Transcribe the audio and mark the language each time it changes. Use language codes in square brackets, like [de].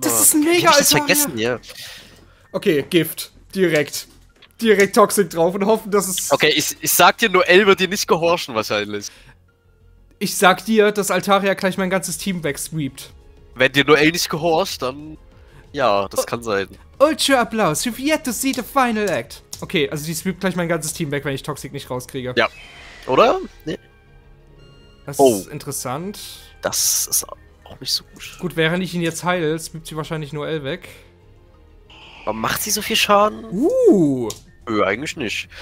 [de] Das ist ein Mega-Altaria! Ich hab's vergessen, ja. Okay, Gift. Direkt. Direkt Toxic drauf und hoffen, dass es... Okay, ich sag dir, Noel wird dir nicht gehorchen wahrscheinlich. Ich sag dir, dass Altaria gleich mein ganzes Team wegsweept. Wenn dir Noel nicht gehorcht, dann... Ja, das kann sein. Ultra Applaus, [en] you've yet to see the final act. [de] Okay, also die sweept gleich mein ganzes Team weg, wenn ich Toxic nicht rauskriege. Ja. Oder? Nee. Das ist interessant. Das ist auch nicht so gut. Gut, während ich ihn jetzt heile, sweept sie wahrscheinlich nur L weg. Warum macht sie so viel Schaden? Nö, eigentlich nicht.